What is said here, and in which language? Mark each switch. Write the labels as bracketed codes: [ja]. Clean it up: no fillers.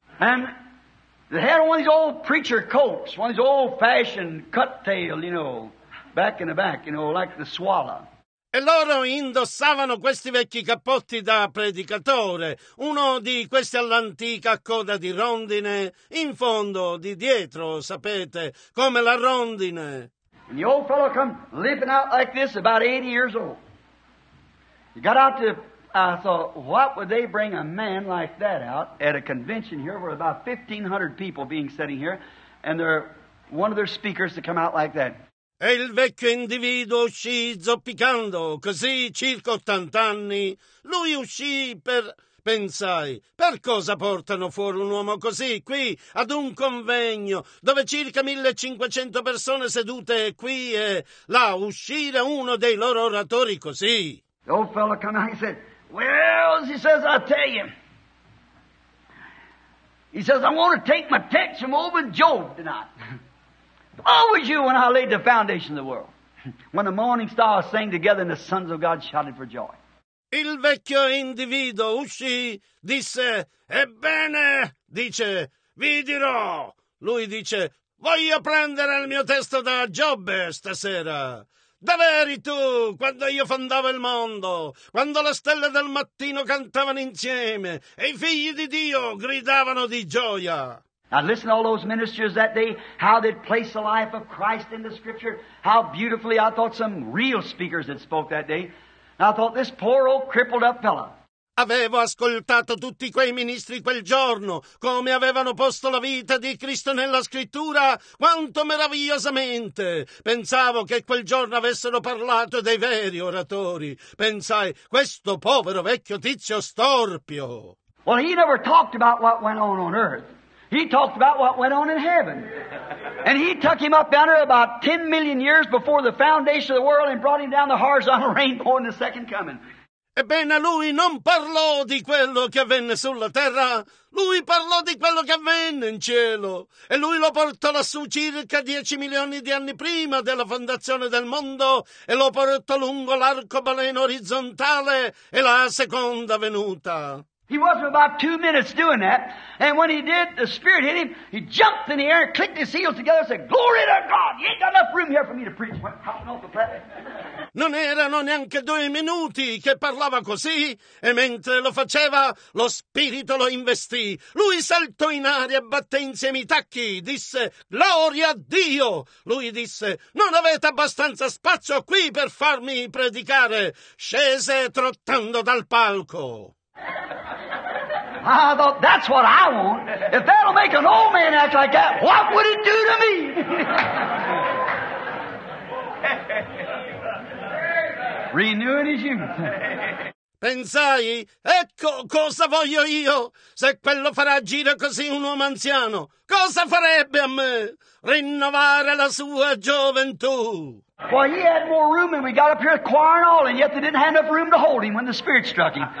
[en] And they had one of these old preacher coats, one of these old-fashioned cut-tail, you know, back in the back, you know, like the swallow. [it] E loro indossavano questi vecchi cappotti da predicatore, uno di questi all'antica coda di rondine, in fondo, di dietro, sapete, come la rondine. [en] And the old fellow come limping out like this, about 80 years old. He got out to... I thought, what would they bring a man like that out at a convention here where about 1,500 people being sitting here, and they're one of their speakers to come out like that. [it] E il vecchio individuo uscì zoppicando, così circa 80 anni. Lui uscì per... Pensai, per cosa portano fuori un uomo così, qui, ad un convegno, dove circa 1500 persone sedute qui e là, uscire uno dei loro oratori così? [en] The old fellow come out, he said, well, he says, I'll tell you. He says, I want to take my text from over Job tonight. Where was you when I laid the foundation of the world? When the morning stars sang together and the sons of God shouted for joy. [it] Il vecchio individuo uscì, disse, ebbene, dice, vi dirò. Lui dice, voglio prendere il mio testo da Giobbe stasera. Dove eri tu quando io fondavo il mondo, quando le stelle del mattino cantavano insieme e i figli di Dio gridavano di gioia? [en] Now listen to all those ministers that day, how they placed the life of Christ in the scripture, how beautifully I thought some real speakers that spoke that day. I thought this poor old crippled up fella. [it] Avevo ascoltato tutti quei ministri quel giorno, come avevano posto la vita di Cristo nella scrittura, quanto meravigliosamente. Pensavo che quel giorno avessero parlato dei veri oratori. Pensai, questo povero vecchio tizio storpio. [en] Well, he never talked about what went on earth. He talked about what went on in heaven. And he took him up under about 10 million years before the foundation of the world and brought him down the horizontal rainbow in the second coming. [it] Ebbene, lui non parlò di quello che avvenne sulla terra. Lui parlò di quello che avvenne in cielo. E lui lo portò lassù circa 10 milioni di anni prima della fondazione del mondo e lo portò lungo l'arcobaleno orizzontale e la seconda venuta. [en] He wasn't about 2 minutes doing that, and when he did, the Spirit hit him, he jumped in the air, clicked his heels together, and said, glory to God, you ain't got enough room here for me to preach. Went hopping off the platform. [it] Non erano neanche 2 minuti che parlava così, e mentre lo faceva, lo Spirito lo investì. Lui saltò in aria, batté insieme i tacchi, disse, gloria a Dio. Lui disse, non avete abbastanza spazio qui per farmi predicare. Scese trottando dal palco. [en] I thought, that's what I want. If that'll make an old man act like that, what would it do to me? Renewing his youth. [it] Pensai, ecco cosa voglio io. Se quello farà agire così un uomo anziano, cosa farebbe a me? Rinnovare la sua gioventù. [en] Well, he had more room and we got up here, choir and all, and yet they didn't have enough room to hold him when the Spirit struck him.